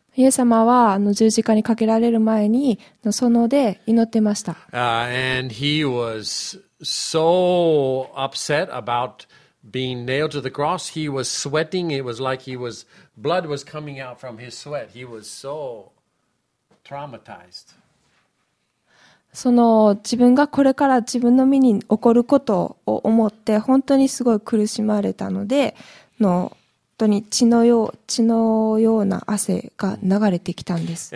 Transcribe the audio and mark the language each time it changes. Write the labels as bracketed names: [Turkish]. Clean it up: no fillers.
[Japanese] イエス様は十字架にかけられる前に園で祈ってました。 [English] And he was so upset about being nailed to the cross. He was sweating. It was like he was blood was coming out from his sweat. He was so traumatized. [Japanese] その自分がこれから自分の身に起こることを思って本当にすごい苦しまれたので、の本当に血のような汗が流れてきたんです。